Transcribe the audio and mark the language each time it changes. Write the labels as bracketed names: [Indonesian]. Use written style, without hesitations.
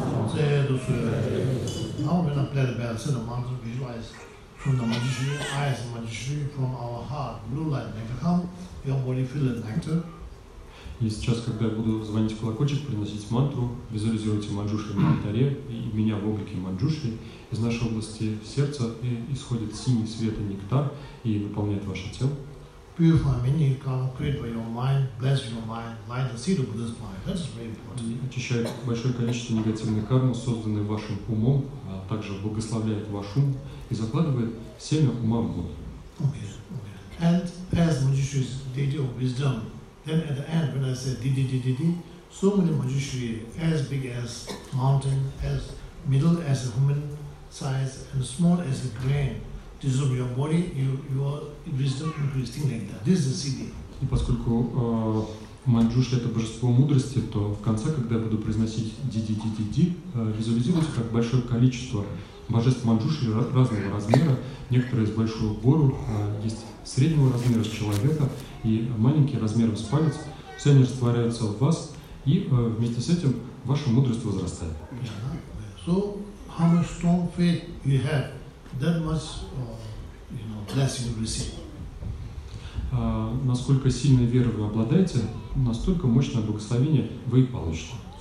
[English] Цэдусу. Now we're gonna play the bell, say the mantra, visualize from the Manjushri, eyes Manjushri, from our heart, blue light nectar come, your body feel the nectar. [Russian] И сейчас, когда я буду звонить в колокольчик, приносить мантру, визуализируйте Манджушри на алтаре и меня в облике Манджушри, из нашей области сердца исходит синий свет и нектар и наполняет ваше тело. [English] Beautiful meaning come, create by your mind, bless your mind, light the seed of Buddha's mind. That's very important. [Russian] И очищает большое количество негативной кармы, созданной вашим умом, а также благословляет ваш ум и закладывает семя ума в Будду. [English] Okay. And as Manjushri is deity of wisdom, then at the end when I say di-di-di-di-di, so many Manjushri, as big as mountain, as middle as a human size, and small as a grain, dissolve your body, your wisdom increasing like that. This is the city. [Russian] И поскольку Манджушри — это божество мудрости, то в конце, когда я буду произносить ди-ди-ди-ди-ди, визуализируется как большое количество божеств Манджушри разного размера, некоторые с большую гору, есть среднего размера с человека и маленькие размером с палец, все они растворяются в вас, и вместе с этим ваша мудрость возрастает. [English] So, how much strong faith you have, that much, blessing you receive. [Russian] насколько сильной верой вы обладаете, настолько мощное благословение вы и получите.